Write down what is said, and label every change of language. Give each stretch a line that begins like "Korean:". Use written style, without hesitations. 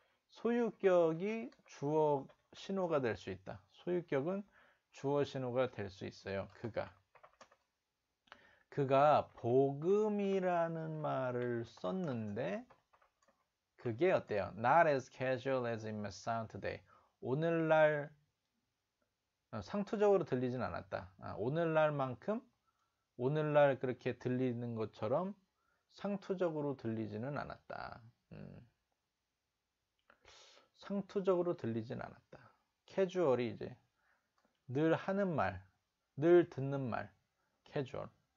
Korean: 소유격이 주어 신호가 될수 있다. 소유격은 주어 신호가 될수 있어요. 그가. 그가 복음이라는 말을 썼는데, 그게 어때요?
English: Not as casual as it may sound today.
Korean: 오늘날, 상투적으로 들리진 않았다. 오늘날만큼, 오늘날 그렇게 들리는 것처럼 상투적으로 들리지는 않았다. 상투적으로 들리진 않았다. 캐주얼이 이제 늘 하는 말, 늘 듣는 말, 캐주얼.